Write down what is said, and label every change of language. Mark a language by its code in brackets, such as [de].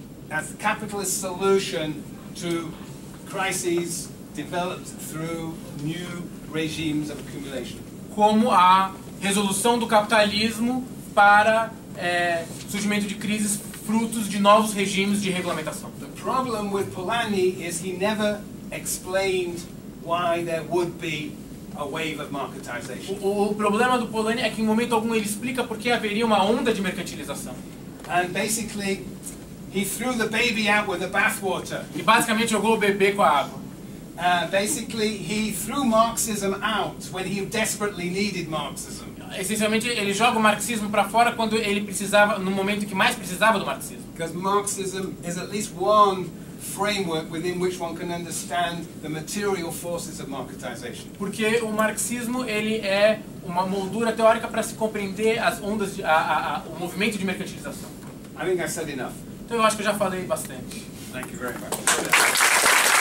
[en] As a capitalist solution to crises developed through new regimes of accumulation. [pt] Como a resolução do capitalismo para surgimento de crises frutos de novos regimes de regulamentação. [en] The problem with Polanyi is he never explained why there would be a wave of marketization. [pt] O problema do Polanyi é que em momento algum ele explica por que haveria uma onda de mercantilização. [en] And basically, he threw the baby out with the bathwater. [pt] E basicamente jogou o bebê com a água. [en] Basically, he threw Marxism out when he desperately needed Marxism. [pt] Essencialmente, ele joga o marxismo para fora quando ele precisava, no momento que mais precisava do marxismo. [en] Because Marxism is at least one framework within which one can understand the material forces of marketization. [pt] Porque o marxismo ele é uma moldura teórica para se compreender as ondas de, o movimento de mercantilização. [en] I think I said enough. [pt] Então eu acho que eu já falei bastante. [en] Thank you very much.